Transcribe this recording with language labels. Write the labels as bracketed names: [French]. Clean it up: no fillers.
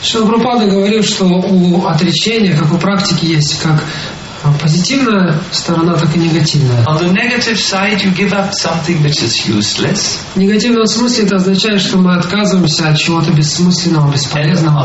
[Russian] Шрила Прабхупада говорил, что у отречения, как у практики, есть как позитивная сторона, так и негативная. [English] On the negative side, you give up something which is useless. [Russian] В негативном смысле это означает, что мы отказываемся от чего-то бессмысленного, бесполезного.